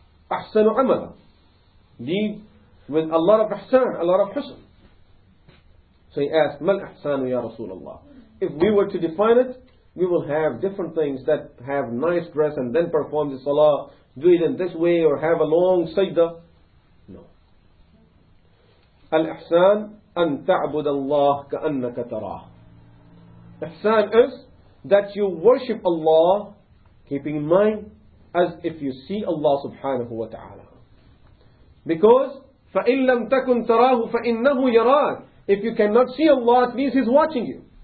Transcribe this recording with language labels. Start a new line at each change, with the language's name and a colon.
Arabic: أَحْسَنُ عَمَلًا
English: Deed with a lot of ihsan, a lot of husn. So he asked,
Arabic: مَا الْإِحْسَانُ يَا رَسُولُ اللَّهِ
English: If we were to define it, we will have different things that have nice dress and then perform the salah, do it in this way or have a long sajda.
Arabic: Al-Ihsan, أن تعبد الله كأنك تراه.
English: Ihsan is that you worship Allah, keeping in mind, as if you see Allah subhanahu wa ta'ala. Because,
Arabic: فَإِن لَمْ تَكُنْ تَرَاهُ فَإِنَّهُ يَرَاكُ
English: If you cannot see Allah, at least He's watching you.